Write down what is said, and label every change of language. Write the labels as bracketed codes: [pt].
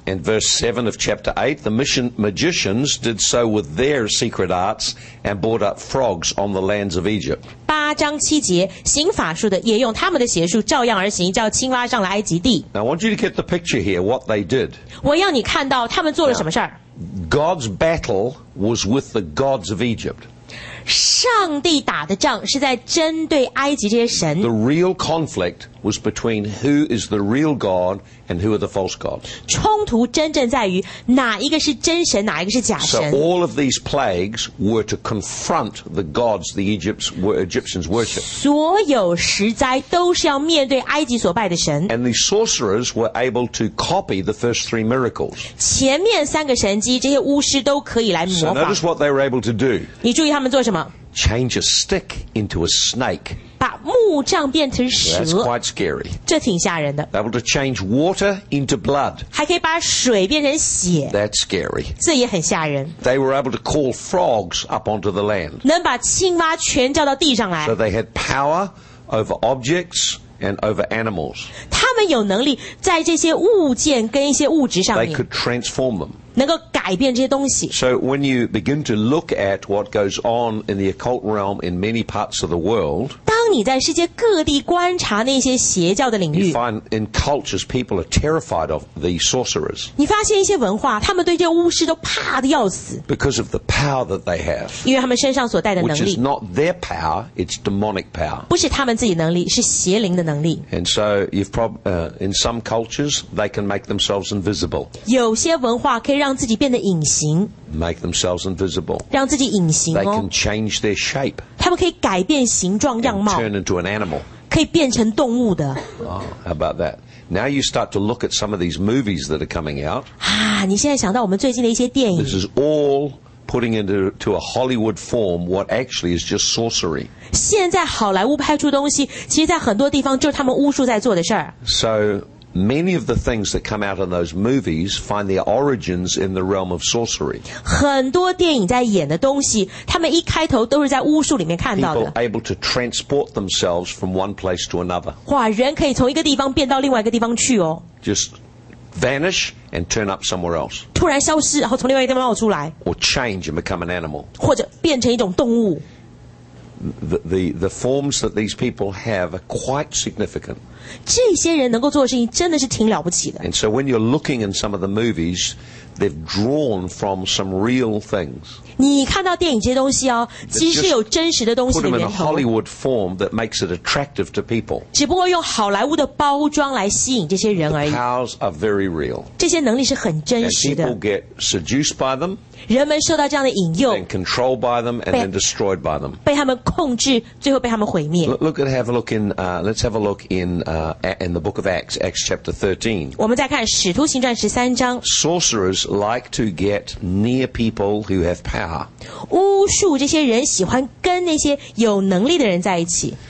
[en] And verse 7 of chapter 8, the magicians did so with their secret arts and brought up frogs on the lands of Egypt. [zh] 八章七节，行法术的也用他们的邪术照样而行，叫青蛙上了埃及地。 [en] Now I want you to get the picture here, what they did. [zh] 我要你看到他们做了什么事儿。 [en] God's battle was with the gods of Egypt. [zh] 上帝打的仗是在针对埃及这些神。 [en] The real conflict was between who is the real God and who are the false gods. [zh] 冲突真正在于哪一个是真神，哪一个是假神。 [en] So all of these plagues were to confront the gods the Egyptians worshipped. [zh] 所有十灾都是要面对埃及所拜的神。 [en] And the sorcerers were able to copy the first three miracles. [zh] 前面三个神迹，这些巫师都可以来模仿。 [en] So notice what they were able to do. [zh] 你注意他们做什么？ [en] Change a stick into a snake. [zh] 把木杖变成蛇。 [en] That's quite scary. [zh] 这挺吓人的。 [en] Able to change water into blood. [zh] 还可以把水变成血。 [en] That's scary. [zh] 这也很吓人。 [en] They were able to call frogs up onto the land. [zh] 能把青蛙全叫到地上来。 [en] So they had power over objects and over animals. [zh] 他们有能力在这些物件跟一些物质上面。 [en] They could transform them. [zh] 能够改变这些东西。 [en] So when you begin to look at what goes on in the occult realm in many parts of the world, [zh] 当你在世界各地观察那些邪教的领域， [en] you find in cultures people are terrified of the sorcerers. [zh] 你发现一些文化，他们对这巫师都怕得要死。 [en] Because of the power that they have. [zh] 因为他们身上所带的能力。 [en] Which is not their power, it's demonic power. [zh] 不是他们自己能力，是邪灵的能力。 [en] And so you've probably, in some cultures, they can make themselves invisible. [zh] 有些文化可以让自己变得隐形 [en] make themselves invisible [zh] 让自己隐形、哦、 [en] they can change their shape [zh] 他们可以改变形状样貌 [en] turn into an animal [zh] 可以变成动物的、 [en] oh, how about that now you start to look at some of these movies that are coming out [zh] 啊，你现在想到我们最近的一些电影 [en] this is all putting into a Hollywood form what actually is just sorcery [zh] 现在好莱坞拍出东西其实在很多地方就是他们巫术在做的事 [en] soMany of the things that come out in those movies find their origins in the realm of sorcery. [zh] 很多电影在演的东西，他们一开头都是在巫术里面看到的。 [en] People able to transport themselves from one place to another. [zh] 哇，人可以从一个地方变到另外一个地方去哦。 [en] Just vanish and turn up somewhere else. [zh] 突然消失，然后从另外一个地方冒出来。 [en] Or change and become an animal. [zh] 或者变成一种动物。 [en] The forms that these people have are quite significant. [zh] 这些人能够做的事情真的是挺了不起的。 [en] And so when you're looking in some of the movies, they've drawn from some real things. [zh] 你看到电影这些东西哦，其实是有真实的东西的源头。 [en] Put them in a Hollywood form that makes it attractive to people. [zh] 只不过用好莱坞的包装来吸引这些人而已。 [en] The powers are very real. [zh] 这些能力是很真实的。 [en] And people get seduced by them. [zh] 人们受到这样的引诱。 [en] And controlled by them, and then destroyed by them. [zh] 被他们控制，最后被他们毁灭。 [en] Let's have a look in the book of Acts, Acts chapter 13. [zh] 我们再看《使徒行传》十三章。 [en] Sorcerers like to get near people who have power. [zh] 巫术这些人喜欢跟那些有能力的人在一起。